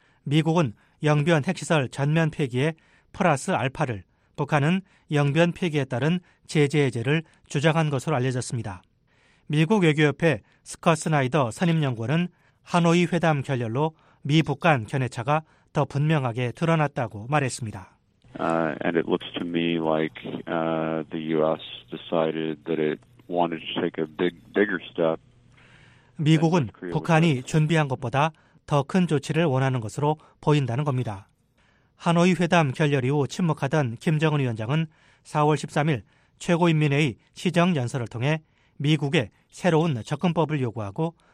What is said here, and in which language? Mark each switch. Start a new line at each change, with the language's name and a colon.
Korean: 미국은 영변 핵시설 전면 폐기에 플러스 알파를, 북한은 영변 폐기에 따른 제재 해제를 주장한 것으로 알려졌습니다. 미국 외교협회 스컷 스나이더 선임연구원은 하노이 회담 결렬로 미북 간 견해차가 더 분명하게 드러났다고 말했습니다.
English: And it looks to me like the US decided that it wanted to take a bigger step.
Korean: 미국은 북한이 준비한 것보다 더 큰 조치를 원하는 것으로 보인다는 겁니다. 하노이 회담 결렬 이후 침묵하던 김정은 위원장은 4월 13일 최고인민회의 시정연설을 통해 미국의 새로운 접근법을 요구하고